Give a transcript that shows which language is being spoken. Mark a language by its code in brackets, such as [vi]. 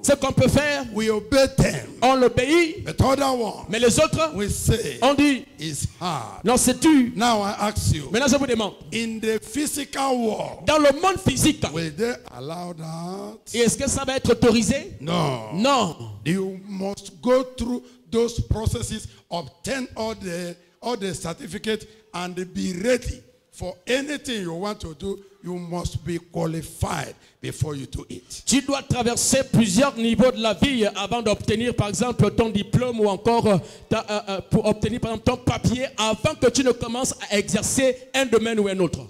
[fr] Ce qu'on peut faire. [en] We obey them. [fr] On l'obéit. [en] But other ones. [fr] Mais les autres. [en] We say. [fr] On dit. [en] It's hard. [fr] Non, c'est dur. [en] Now I ask you. [fr] Maintenant je vous demande. [en] In the physical world. [fr] Dans le monde physique. [en] Will they allow that? [fr] Et est-ce que ça va être autorisé? Non. Non. [en] You must go through those processes, obtain all the all the certificates and be ready for anything you want to do. You must be qualified before you do it. [fr] Tu dois traverser plusieurs niveaux de la vie avant d'obtenir, par exemple, ton diplôme ou encore pour obtenir, par exemple, ton papier avant que tu ne commences à exercer un domaine ou un autre.